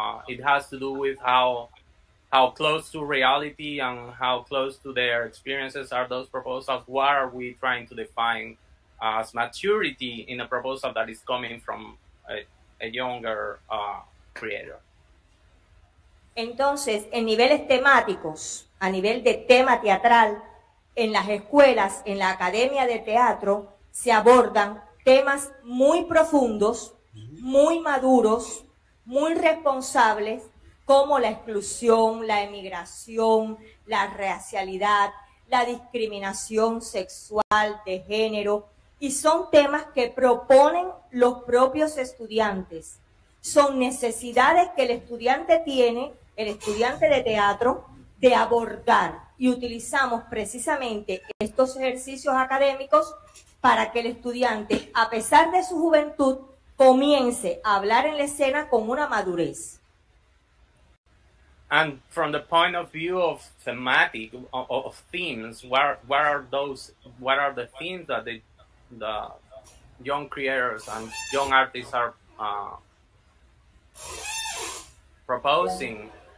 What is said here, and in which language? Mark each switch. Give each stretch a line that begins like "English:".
English: It has to do with how close to reality and how close to their experiences are those proposals. What are we trying to define as maturity in a proposal that is coming from a younger creator?
Spanish: Entonces, en niveles temáticos, a nivel de tema teatral, en las escuelas, en la academia de teatro, se abordan temas muy profundos, muy maduros, muy responsables, como la exclusión, la emigración, la racialidad, la discriminación sexual, de género, y son temas que proponen los propios estudiantes. Son necesidades que el estudiante tiene, el estudiante de teatro, de abordar y utilizamos precisamente estos ejercicios académicos para que el estudiante, a pesar de su juventud, comience a hablar en la escena con una madurez.
English: And from the point of view of thematic, of themes, what are the themes that the young creators and young artists are proposing?